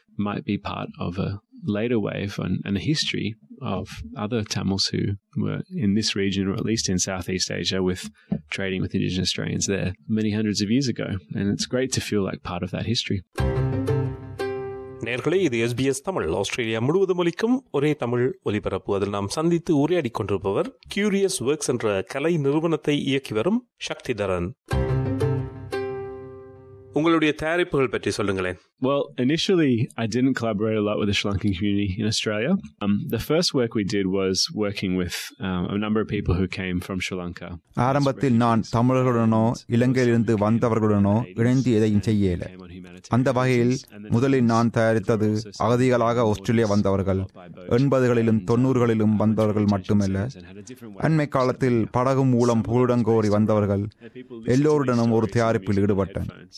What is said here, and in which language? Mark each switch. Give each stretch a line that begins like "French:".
English: Might be part of a later wave and a history of other Tamils who were in this region or at least in Southeast Asia with trading with Indigenous Australians there many hundreds of years ago. And it's great to feel like part of that history.
Tamil: நேர்களே, இது SBS Tamil. Australia முழுவதும் ஒலிக்கும் ஒரே தமிழ் ஒலிபரப்பு. அதில் நாம் சந்தித்து உரையாடி கொண்டிருப்பவர் கியூரியஸ் ஒர்க்ஸ் என்ற கலை நிறுவனத்தை இயக்கி வரும் சக்திதரன். உங்களுடைய தயாரிப்புகள் பற்றி சொல்லுங்களேன்.
English: Well, initially I didn't collaborate a lot with the Sri Lankan community in Australia. The first work we did was working with a number of people who came from Sri Lanka.
Tamil: ஆரம்பத்தில் நான் தமிழர்களுடனோ இலங்கையிலிருந்து வந்தவர்களுடனோ இணைந்து எதையும் செய்யல. அந்த வகையில் முதலில் நான் தயாரித்தது அகதிகளாக ஆஸ்திரேலியா வந்தவர்கள், 80களிலும் 90களிலும் வந்தவர்கள் மட்டுமல்ல, அண்மை காலத்தில் படகு மூலம் புகலிடம் கோரி வந்தவர்கள் எல்லோருடனும் ஒரு தயாரிப்பில் ஈடுபட்டேன்.